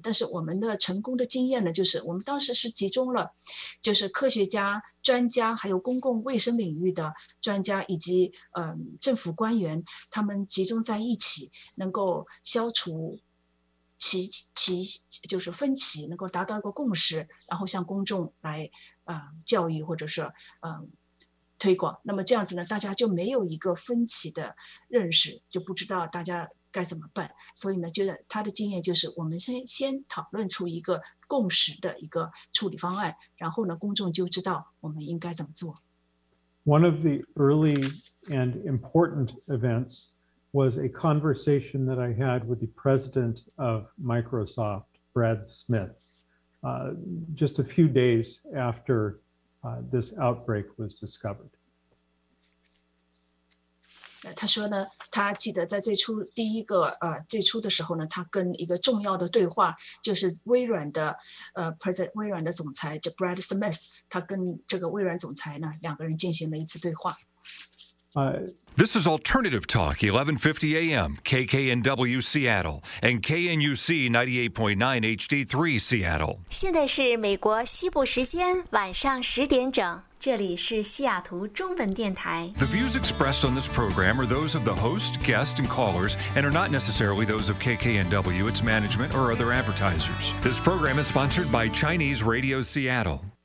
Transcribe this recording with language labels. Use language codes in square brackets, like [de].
[zh] 但是我们的成功的经验呢，就是我们当时是集中了就是科学家专家还有公共卫生领域的专家以及政府官员，他们集中在一起能够消除其就是分歧，能够达到一个共识，然后向公众来教育或者是推广，那么这样子呢大家就没有一个分歧的认识，就不知道大家该怎么办。所以呢就他的经验就是我们先讨论出一个共识的一个处理方案，然后呢公众就知道我们应该怎么做。 [en] One of the early and important eventswas a conversation that I had with the president of Microsoft, Brad Smith, just a few days after this outbreak was discovered. [zh] 他说呢，他记得在最初第一个最初的时候呢，他跟一个重要的对话，就是微软的微软的总裁叫 Brad Smith， 他跟这个微软总裁呢两个人进行了一次对话。 [en] This is Alternative Talk, 1150 AM, KKNW Seattle, and KNUC 98.9 HD3 Seattle. [zh] 现在是美国西部时间晚上十点整，这里是西雅图中文电台。 [en] The views expressed on this program are those of the host, guest, and callers, and are not necessarily those of KKNW, its management, or other advertisers. This program is sponsored by Chinese Radio Seattle.